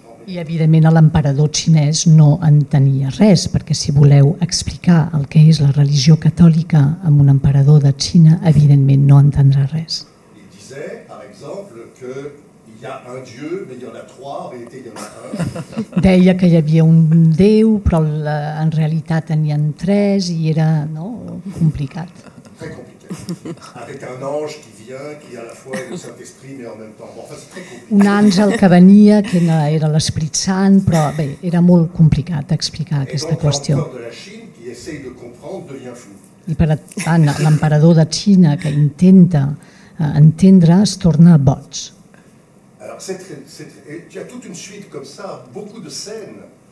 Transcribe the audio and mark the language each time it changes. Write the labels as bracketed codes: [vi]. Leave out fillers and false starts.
[ca] I evidentment l'emperador xinès no entenia res, perquè si voleu explicar el que és la religió catòlica a un emperador de Xina, evidentment no entendrà res. [fr] Il disait, par exemple, que il y a un dieu, mais il y en a trois, en réalité il y en a un. [ca] Deia que hi havia un déu, però en realitat n'hi ha tres i era, no, complicat. [fr] Avec un ange qui vient, qui à la fois est le Saint-Esprit, mais en même temps... Bon, enfin, c'est très compliqué. [ca] Un àngel que venia, que era l'Esprit Sant, però bé, era molt complicat explicar aquesta qüestió. [fr] Et donc l'empereur de la Chine, qui essaye de comprendre, devient fou. [ca] I per tant, l'emperador de Xina, que intenta entendre, es torna boig. [fr] Alors, il y a toute une suite comme ça, beaucoup de scènes...